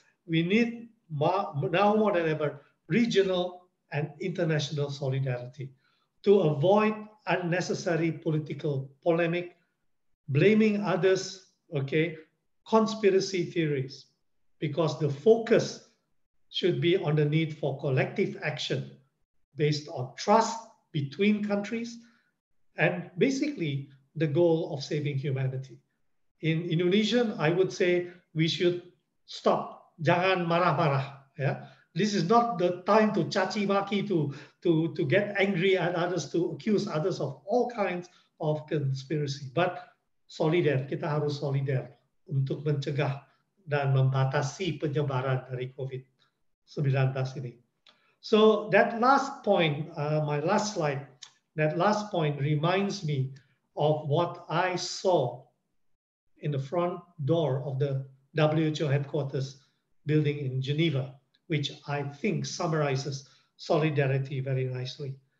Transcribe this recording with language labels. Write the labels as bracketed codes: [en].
[en] We need now more than ever regional and international solidarity to avoid unnecessary political polemic, blaming others, okay, conspiracy theories, because the focus should be on the need for collective action based on trust between countries and basically the goal of saving humanity. In Indonesian, I would say we should stop. Jangan marah-marah. Yeah? This is not the time to caci maki, to get angry at others, to accuse others of all kinds of conspiracy. [id] But solidar, kita harus solidar untuk mencegah dan membatasi penyebaran dari COVID-19 ini. [en] So that last point, my last slide, that last point reminds me of what I saw in the front door of the WHO headquarters building in Geneva, which I think summarizes solidarity very nicely.